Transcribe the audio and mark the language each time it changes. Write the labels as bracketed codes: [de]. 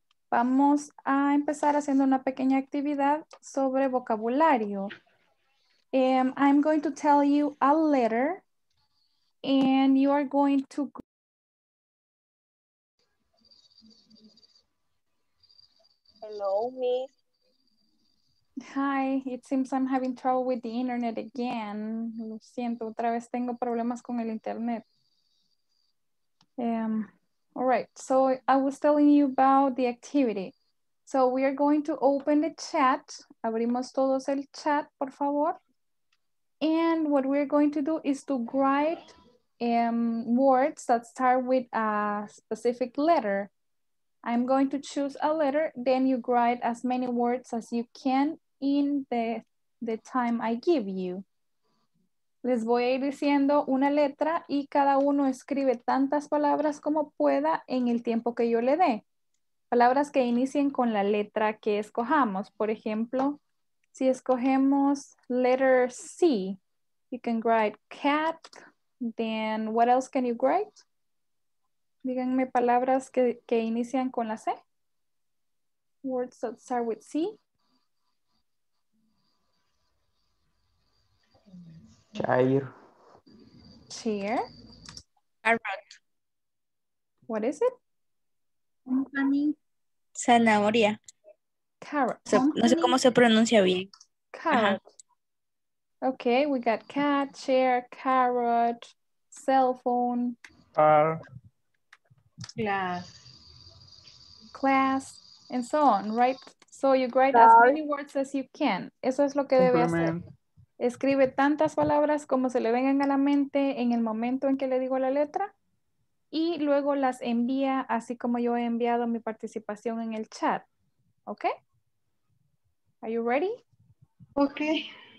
[es] Vamos a empezar haciendo una pequeña actividad sobre vocabulario. [en] I'm going to tell you a letter and you are going to... Hello, miss. Hi, it seems I'm having trouble with the internet again. [es] Lo siento, otra vez tengo problemas con el internet. [en] All right, so I was telling you about the activity. So we are going to open the chat. [es] Abrimos todos el chat, por favor. [en] And what we're going to do is to write words that start with a specific letter. I'm going to choose a letter, then you write as many words as you can in the time I give you. [es] Les voy a ir diciendo una letra y cada uno escribe tantas palabras como pueda en el tiempo que yo le dé. Palabras que inicien con la letra que escojamos. Por ejemplo, si escogemos [en] letter C, you can write cat, then what else can you write? [es] Díganme palabras que inician con la C. [en] Words that start with C. Chair. Chair. A rat. What is it? Company. [es] Zanahoria. [en] Carrot. [es] So, no sé cómo se pronuncia bien. [en] Carrot. Okay, we got cat, chair, carrot, cell phone. Car. Class. Class, and so on, right? So you write as many words as you can. [es] Eso es lo que debe hacer. Escribe tantas palabras como se le vengan a la mente en el momento en que le digo la letra y luego las envía así como yo he enviado mi participación en el chat. [en] Okay? Are you ready? Okay.